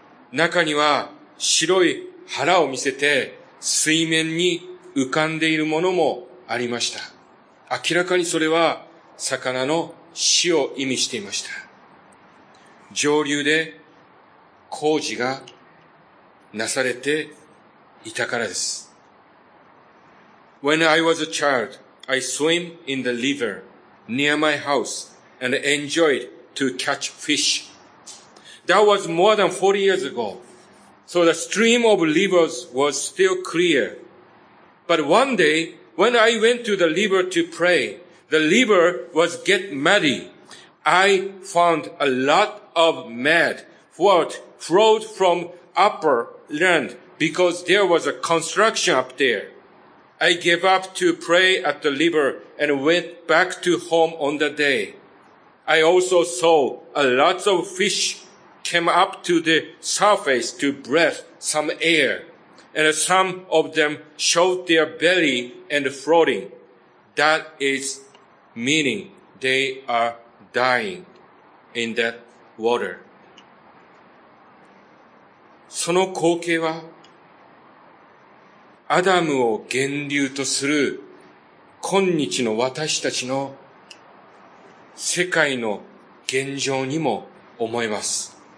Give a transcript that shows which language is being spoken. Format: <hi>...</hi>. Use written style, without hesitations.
<ja>中には白い腹を見せて水面に浮かんでいるものもありました。明らかにそれは魚の死を意味していました。上流で工事がなされていたからです。</ja> <en>When I was a child, I swim in the river near my house. And enjoyed to catch fish. That was more than 40 years ago. So the stream of rivers was still clear. But one day, when I went to the river to pray, the river was get muddy. I found a lot of mud flowed from upper land because there was a construction up there. I gave up to pray at the river and went back to home on the day. I also saw a lot of fish came up to the surface to breathe some air, and some of them showed their belly and floating. That is meaning they are dying in that water.</en> <ja>その光景は、アダムを源流とする今日の私たちの世界の現状にも思えます。</ja>